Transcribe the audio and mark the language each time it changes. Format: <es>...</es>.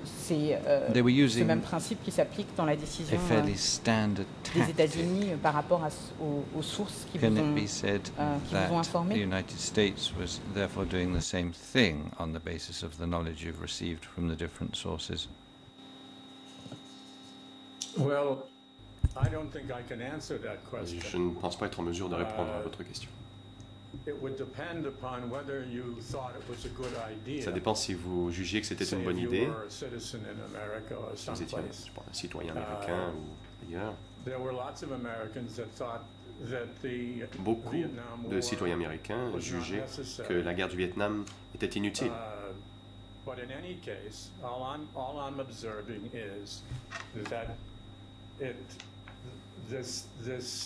<fr>c'est ce même principe qui s'applique dans la décision des États-Unis par rapport à, aux sources qui vous ont informé.</fr> <en>The United States was therefore doing the same thing on the basis of the knowledge you've received from the different sources. Well, I don't think I can answer that question.</en> <fr>Je ne pense pas être en mesure de répondre à votre question.</fr> <en>It would depend upon whether you thought it was a good idea.</en> <fr>Ça dépend si vous jugiez que c'était une bonne idée.</fr> <en>Say if you were a citizen in America or someplace.</en> <fr>Vous étiez, je pense, un citoyen américain ou ailleurs.</fr> <en>There were lots of Americans that thought that the</en> <fr>Beaucoup</fr> <en>Vietnam</en> <fr>de citoyens américains jugeaient que la guerre du Vietnam était inutile.</fr> <en>But in any case, all I'm observing is that it this</en>